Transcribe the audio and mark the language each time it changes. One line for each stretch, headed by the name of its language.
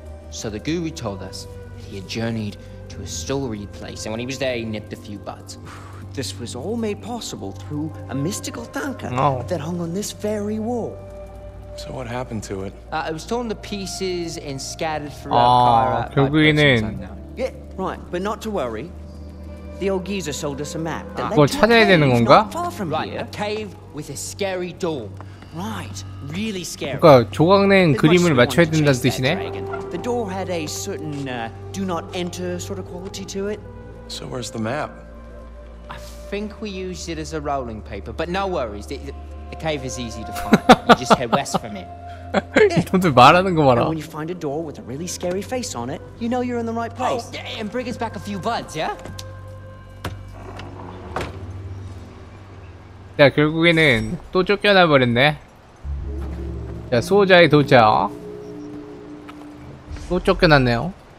English: So the guru told us that he had journeyed to a storied place, and when he was there, he nipped a few buds. This was all made possible through a mystical tanka that hung on this very wall. So what happened to it? It was torn to pieces and scattered throughout Kairat.
Korean: 결국에는...
English: Yeah, right, but not to worry. The old geezer sold us a map.
Korean: The 그걸 찾아야 되는 건가?
English: Far from right, here. A cave with a scary door. Right, really scary.
Korean: 그러니까 조각낸 그림을 맞춰야 된다는 뜻이네?
English: The door had a certain do not enter sort of quality to it. So where's the map? I think we used it as a rolling paper, but no worries. The cave is easy to find. You just head west from it.
Korean: 이놈들 말하는 거 봐라.
English: When you find a door with a really scary face on it, you know you're in the right place. Oh, and bring us back a few buds, yeah?
Korean: 야, 결국에는 또 쫓겨나 버렸네. 자, 수호자의 도착. 또 쫓겨났네요.